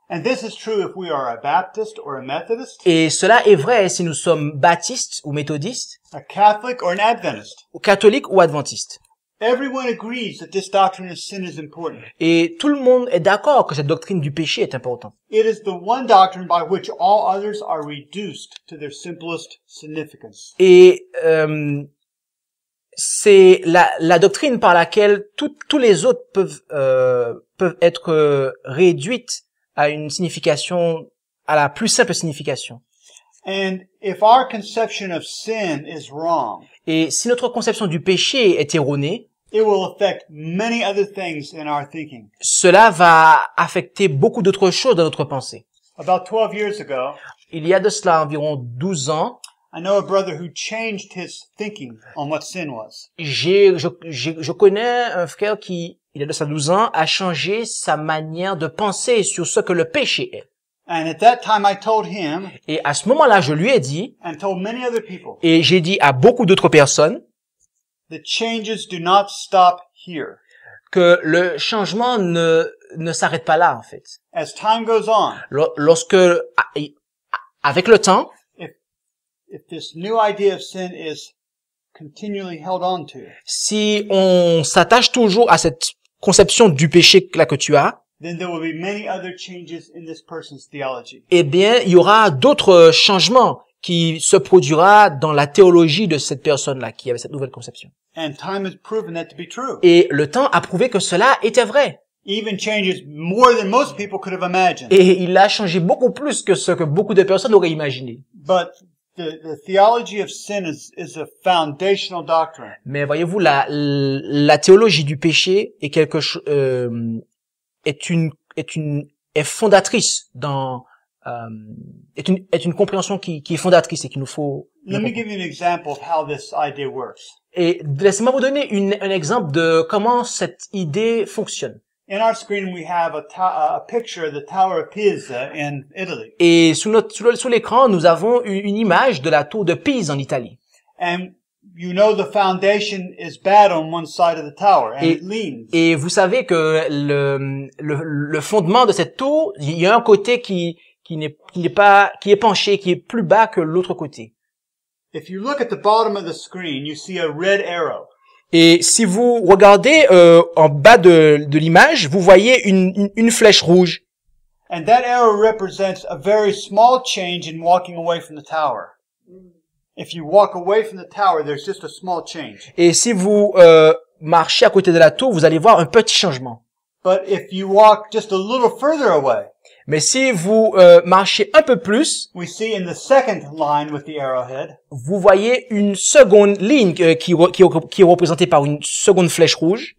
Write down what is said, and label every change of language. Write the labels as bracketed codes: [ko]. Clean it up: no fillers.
[en] And this is true if we are a Baptist or a Methodist. [fr] Et cela est vrai si nous sommes baptistes ou méthodistes. [en] A Catholic or an Adventist. [fr] Ou catholique ou adventiste. [en] Everyone agrees that this doctrine of sin is important. [fr] Et tout le monde est d'accord que cette doctrine du péché est importante. [en] It is the one doctrine by which all others are reduced to their simplest significance. [fr] Et c'est la doctrine par laquelle tous les autres peuvent être réduites à une signification, à la plus simple signification. [en] And if our conception of sin is wrong, [fr] et si notre conception du péché est erronée, [en] it will affect many other things in our thinking. [fr] Cela va affecter beaucoup d'autres choses dans notre pensée. [en] About 12 years ago, [fr] il y a de cela environ 12 ans, [en] I know a brother who changed his thinking on what sin was. [fr] Je connais un frère qui, il a de ça 12 ans, a changé sa manière de penser sur ce que le péché est. [en] And at that time I told him, [fr] et à ce moment-là, je lui ai dit, [en] and told many other people, [fr] et j'ai dit à beaucoup d'autres personnes, [en] the changes do not stop here. [fr] Que le changement ne s'arrête pas là, en fait. [en] As time goes on, [fr] lorsque, avec le temps, [en] if this new idea of sin is continually held on to, [fr] si on s'attache toujours à cette conception du péché là que tu as, [en] then there will be many other changes in this person's theology. [fr] Eh bien, il y aura d'autres changements qui se produira dans la théologie de cette personne là qui avait cette nouvelle conception. [en] And time has proven that to be true. [fr] Et le temps a prouvé que cela était vrai. [en] Even changes more than most people could have imagined. [fr] Et il a changé beaucoup plus que ce que beaucoup de personnes auraient imaginé. [en] But the theology of sin is a foundational doctrine. [fr] Mais voyez-vous, la théologie du péché est quelque chose est fondatrice dans est une compréhension qui est fondatrice et qu'il nous faut. [en] Let me give you an example of how this idea works. [fr] Et laissez-moi vous donner un exemple de comment cette idée fonctionne. [en] In our screen, we have a picture of the Tower of Pisa in Italy. [fr] Et sous l'écran, nous avons une image de la tour de Pise en Italie. [en] And you know the foundation is bad on one side of the tower, and it leans. [fr] Et vous savez que le fondement de cette tour, il y a un côté qui est penché, qui est plus bas que l'autre côté. [en] If you look at the bottom of the screen, you see a red arrow. [fr] Et si vous regardez en bas de l'image, vous voyez une flèche rouge. [en] And that arrow represents a very small change in walking away from the tower. If you walk away from the tower, there's just a small change. [fr] Et si vous marchez à côté de la tour, vous allez voir un petit changement. [en] But if you walk just a little further away. [fr] Mais si vous marchez un peu plus, [en] we see in the second line with the arrowhead, [fr] vous voyez une seconde ligne qui est représentée par une seconde flèche rouge.